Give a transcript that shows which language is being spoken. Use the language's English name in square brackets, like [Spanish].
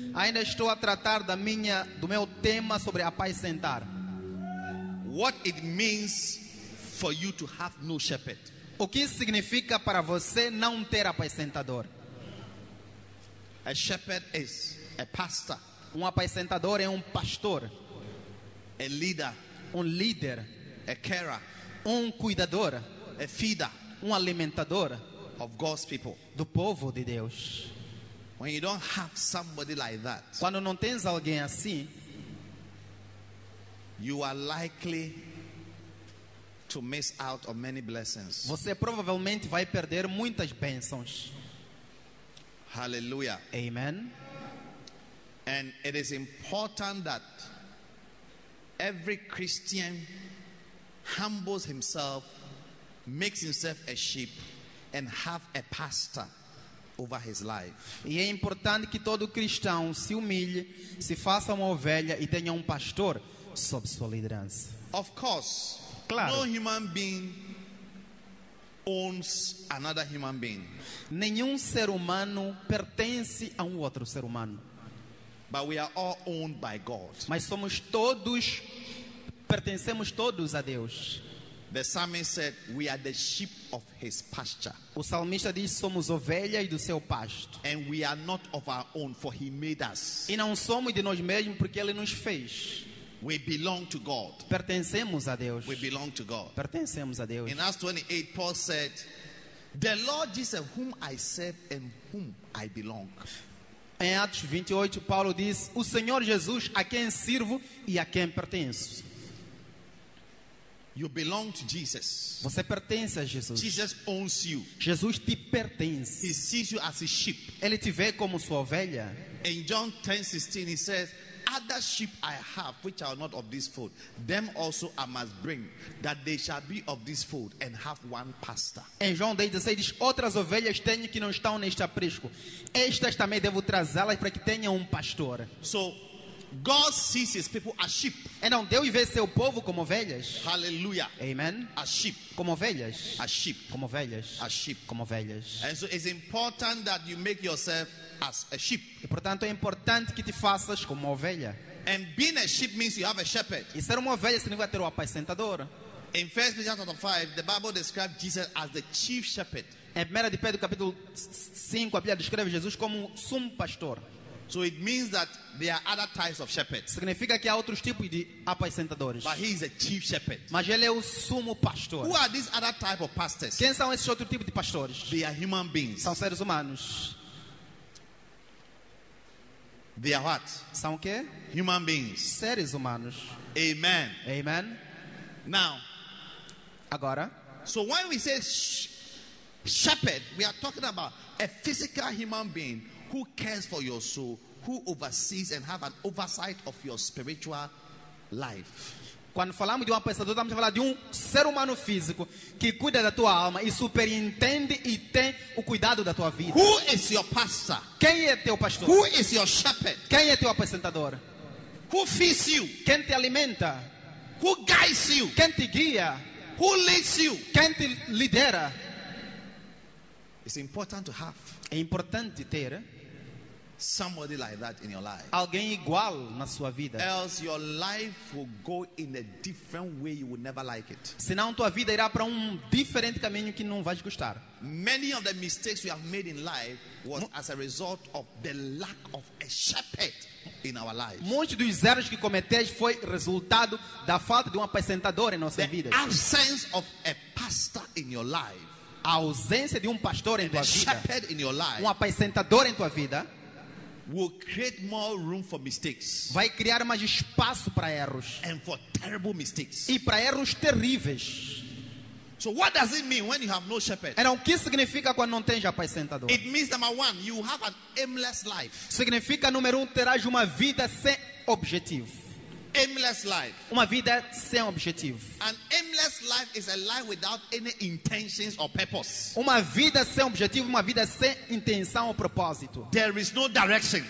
[Portuguese] Ainda estou a tratar do meu tema sobre apacentar. [English] What it means for you to have no shepherd. [Portuguese] O que significa para você não ter apacentador? [English] A shepherd is a pastor. [Portuguese] Um apacentador é um pastor. [English] A leader. [Portuguese] Um líder. [English] A carer. [Portuguese] Um cuidador. [English] A feeder. [Portuguese] Um alimentador. [English] Of God's people. [Portuguese] Do povo de Deus. [English] When you don't have somebody like that, [Portuguese] quando não tens alguém assim, [English] you are likely to miss out on many blessings. [Portuguese] Você provavelmente vai perder muitas bênçãos. [English] Hallelujah. [Portuguese] Amen. [English] And it is important that every Christian humbles himself, makes himself a sheep, and have a pastor over his life. [Portuguese] E é importante que todo cristão se humilhe, se faça uma ovelha e tenha um pastor sob sua liderança. [English] Of course, [Portuguese] claro. [English] No human being owns another human being. [Portuguese] Nenhum ser humano pertence a um outro ser humano. [English] But we are all owned by God. [Portuguese] Mas somos todos, pertencemos todos a Deus. [English] The psalmist said, "We are the sheep of His pasture." [Portuguese] O salmista diz, somos ovelhas do seu pasto. [English] And we are not of our own, for He made us. [Portuguese] E não somos de nós mesmos, porque Ele nos fez. [English] We belong to God. [Portuguese] Pertencemos a Deus. [English] We belong to God. [Portuguese] Pertencemos a Deus. [English] In Acts 28, Paul said, "The Lord Jesus, whom I serve and whom I belong." [Portuguese] Em Atos 28, Paulo diz, "O Senhor Jesus, a quem sirvo e a quem pertenço." [English] You belong to Jesus. [Portuguese] Você pertence a Jesus. [English] Jesus owns you. [Portuguese] Jesus te pertence. [English] He sees you as a sheep. [Portuguese] Ele te vê como sua ovelha. [English] In John 10:16, he says, "Other sheep I have, which are not of this fold, them also I must bring, that they shall be of this fold and have one pastor." [Portuguese] Em João 10:16 diz, "Outras ovelhas tenho que não estão neste aprisco. Estas também devo trazê-las para que tenham um pastor." [English] So, God sees His people as sheep. [Portuguese] Então Deus vê seu povo como ovelhas. [English] Hallelujah. [Portuguese] Amen. [English] As sheep. [Portuguese] Como ovelhas. [English] As sheep. [Portuguese] Como ovelhas. [English] As sheep. [Portuguese] Como ovelhas. [English] And so it's important that you make yourself as a sheep. [Portuguese] E portanto é importante que te faças como uma ovelha. [English] And being a sheep means you have a shepherd. [Portuguese] E ser uma ovelha significa ter um apacentador. [English] In 1 Peter chapter 5, the Bible describes Jesus as the chief shepherd. [Portuguese] Em 1 Pedro capítulo 5, a Bíblia descreve Jesus como sumo pastor. [English] So it means that there are other types of shepherds. [Portuguese] Significa que há outros tipos de apacentadores. [English] But he is a chief shepherd. [Portuguese] Mas ele é o sumo pastor. [English] Who are these other type of pastors? [Portuguese] Quem são esses outros tipos de pastores? [English] They are human beings. [Portuguese] São seres humanos. [English] They are what? [Portuguese] São o quê? [English] Human beings. [Portuguese] Seres humanos. [English] Amen. [Portuguese] Amen. [English] Now. [Portuguese] Agora. [English] So when we say shepherd, we are talking about a physical human being who cares for your soul, who oversees and have an oversight of your spiritual life. [Portuguese] Quando falamos de um apacentador, estamos a falar de um ser humano físico que cuida da tua alma e superintende e tem o cuidado da tua vida. [English] Who is your pastor? [Portuguese] Quem é teu pastor? [English] Who is your shepherd? [Portuguese] Quem é teu apacentador? [English] Who feeds you? [Portuguese] Quem te alimenta? [English] Who guides you? [Portuguese] Quem te guia? [English] Who leads you? [Portuguese] Quem te lidera? [English] It's important to have. [Portuguese] É importante ter [English] somebody like that in your life. [Portuguese] Alguém igual na sua vida. [English] Else your life will go in a different way you would never like it. [Portuguese] Senão tua vida irá para diferente caminho que não vais gostar. [English] Many of the mistakes we have made in life was as a result of the lack of a shepherd in our life. [Portuguese] Muitos dos erros que cometeste foi resultado da falta de um apacentador em nossa vida. [English] The absence of a pastor in your life. [Portuguese] A ausência de um pastor em tua vida, [English] in your life, [Portuguese] um apacentador em tua vida, [English] will create more room for mistakes, [Portuguese] vai criar mais espaço para erros [English] and for terrible mistakes. [Portuguese] E para erros terríveis. [English] So what does it mean when you have no shepherd? [Portuguese] Então o que significa quando não tens apacentador? [English] It means number one, you have an aimless life. [Portuguese] Significa número um, terás uma vida sem objetivo. [English] Aimless life. [Portuguese] Uma vida sem objetivo. [English] An aimless life is a life without any intentions or purpose. [Portuguese] Uma vida sem objetivo, uma vida sem intenção ou propósito. [English] There is no direction.